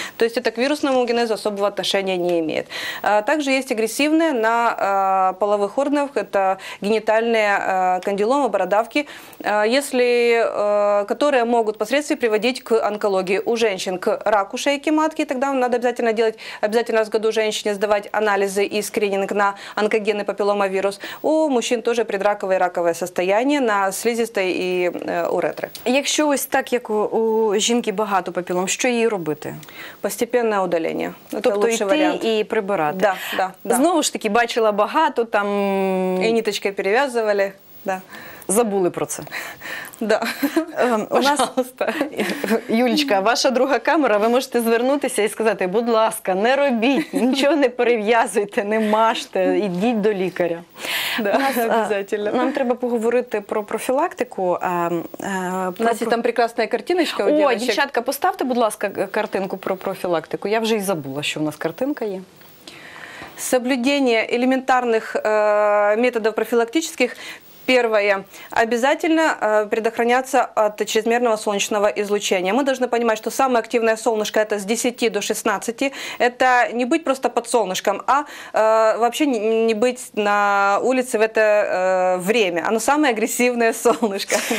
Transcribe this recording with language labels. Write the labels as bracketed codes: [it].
[ru] То есть это к вирусному генезу особого отношения не имеет. Также есть агрессивные на половых органах, это генитальные кандиломы, бородавки, если, которые могут впоследствии приводить к онкологии у женщин, к раку шейки матки, тогда надо обязательно делать, обязательно раз в году женщине сдавать анализы и скрининг на онкогенный папилломавирус. У мужчин тоже предраковое и раковое состояние на слизистой и уретры. [uk] Якщо ось так, як у жінки багато папілом, що їй робити? Постепенне удалення. Тобто йти варіант. І прибирати. Да, да, да. Знову ж таки, бачила багато там... І ниточки перев'язували. Да. Забули про це. Да. У нас, Юлечка, ваша друга камера, ви можете звернутися і сказати, будь ласка, не робіть, нічого не перев'язуйте, не мажте, ідіть до лікаря. Да, обов'язково. Нам треба поговорити про профілактику. У нас є там прекрасна картиночка. О, дівчатка, поставте, будь ласка, картинку про профілактику. Я вже й забула, що в нас картинка є. Соблюдение елементарних методів профілактичних. [ru] Первое. Обязательно предохраняться от чрезмерного солнечного излучения. Мы должны понимать, что самое активное солнышко – это с 10 до 16. Это не быть просто под солнышком, а вообще не быть на улице в это время. Оно самое агрессивное солнышко.